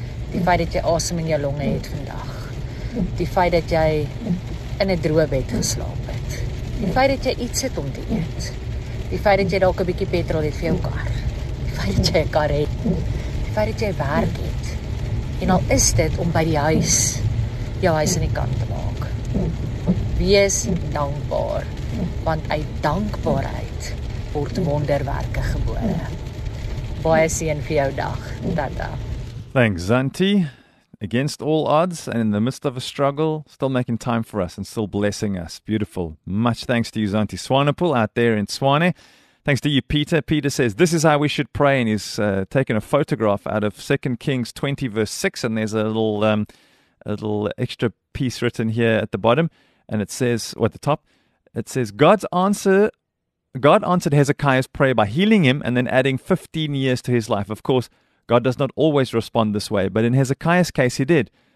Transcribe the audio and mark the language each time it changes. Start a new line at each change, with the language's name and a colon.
Afrikaans: Die feit dat jy asem in jou longe het vandag, die feit dat jy in 'n droë bed geslaap het, die feit dat jy iets het om te eet, die feit dat jy dalk 'n bietjie petrol het vir jou kar, die feit dat jy 'n kar het, die feit dat jy werk het, en al is dit om by die huis jou huis aan die kant te maak. Wees dankbaar, want uit dankbaarheid word wonderwerke gebore. Baie seën vir jou dag, Tata.
English: Thanks, Zanti. Against all odds and in the midst of a struggle, still making time for us and still blessing us. Beautiful. Much thanks to you, Zanti Swanepoel, out there in Swane. Thanks to you, Peter. Peter says, this is how we should pray, and he's taken a photograph out of 2 Kings 20, verse 6, and there's a little extra piece written here at the bottom, and it says, or at the top, it says, God answered Hezekiah's prayer by healing him and then adding 15 years to his life. Of course, God does not always respond this way, but in Hezekiah's case, he did.